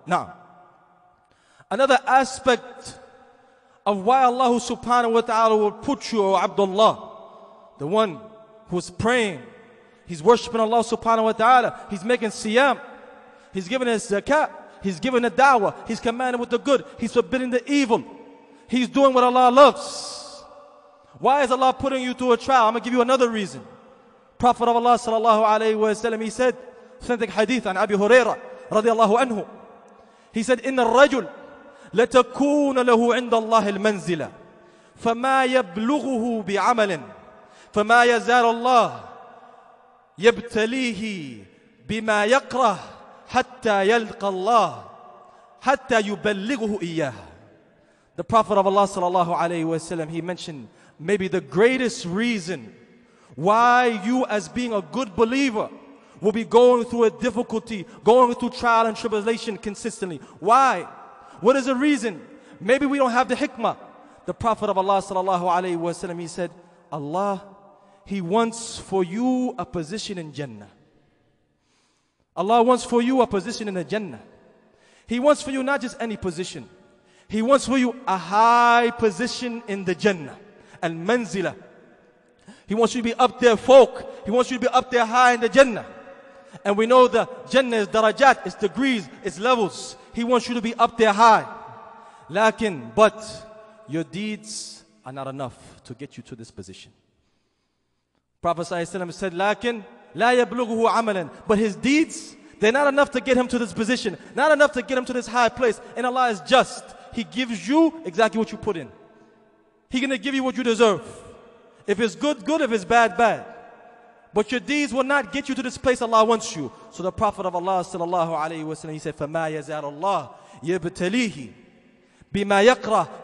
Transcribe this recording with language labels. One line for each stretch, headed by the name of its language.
English: Now, another aspect of why Allah subhanahu wa ta'ala will put you, O Abdullah, the one who is praying, he's worshiping Allah subhanahu wa ta'ala, he's making siyam, he's giving his zakat, he's giving a da'wah, he's commanding with the good, he's forbidding the evil, he's doing what Allah loves. Why is Allah putting you through a trial? I'm going to give you another reason. Prophet of Allah sallallahu alayhi wa sallam, he said,
Arabic: authentic hadith on Abi Huraira radiallahu anhu, he said, إِنَّ الرَّجُلْ لَتَكُونَ لَهُ عِنْدَ اللَّهِ الْمَنْزِلَةِ فَمَا يَبْلُغُهُ بِعَمَلٍ فَمَا يَزَالُ اللَّهِ يَبْتَلِيهِ بِمَا يَقْرَهُ حَتَّى يَلْقَ اللَّهِ حَتَّى يُبَلِّغُهُ إِيَّهَا.
English: The Prophet of Allah sallallahu alayhi wa sallam, he mentioned maybe the greatest reason why you as being a good believer will be going through a difficulty, going through trial and tribulation consistently. Why? What is the reason? Maybe we don't have the hikmah. The Prophet of Allah sallallahu alayhi wa sallam, he said, Allah, he wants for you a position in Jannah. Allah wants for you a position in the Jannah. He wants for you not just any position. He wants for you a high position in the Jannah. Al-manzila. He wants you to be up there, folk. He wants you to be up there high in the Jannah. And we know the Jannah is darajat, it's degrees, it's levels. He wants you to be up there high. Lakin, but your deeds are not enough to get you to this position. Prophet ﷺ said,
Arabic: Lakin, لا يبلغه عملا.
English: But his deeds, they're not enough to get him to this position. Not enough to get him to this high place. And Allah is just. He gives you exactly what you put in. He's going to give you what you deserve. If it's good, good. If it's bad, bad. But your deeds will not get you to this place Allah wants you. So the Prophet of Allah sallallahu alayhi wa sallam, he said,
Arabic: فَمَا يَزَالُ اللَّهِ يَبْتَلِيهِ بِمَا يَقْرَهُ.